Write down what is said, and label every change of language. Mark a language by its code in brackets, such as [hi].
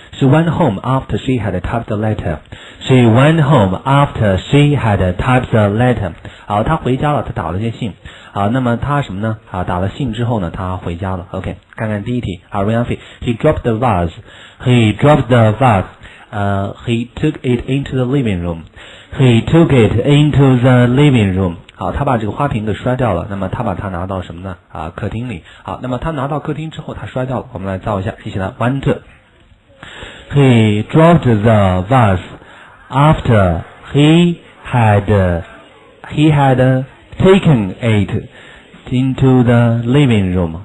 [en] She went home after she had typed the letter. She went home after she had typed the letter. [zh] 好，她回家了，她打了些信。好，那么她什么呢？好，打了信之后呢，她回家了。 [en] OK， [zh] 看看第一题。好 [en] ，Ryan Fee, he dropped the vase. He dropped the vase. He took it into the living room. He took it into the living room. [zh] 好，他把这个花瓶给摔掉了，那么他把它拿到什么呢？客厅里。好，那么他拿到客厅之后，他摔掉了。我们来造一下，一起来 ，went. [en] He dropped the vase after he had taken it into the living room.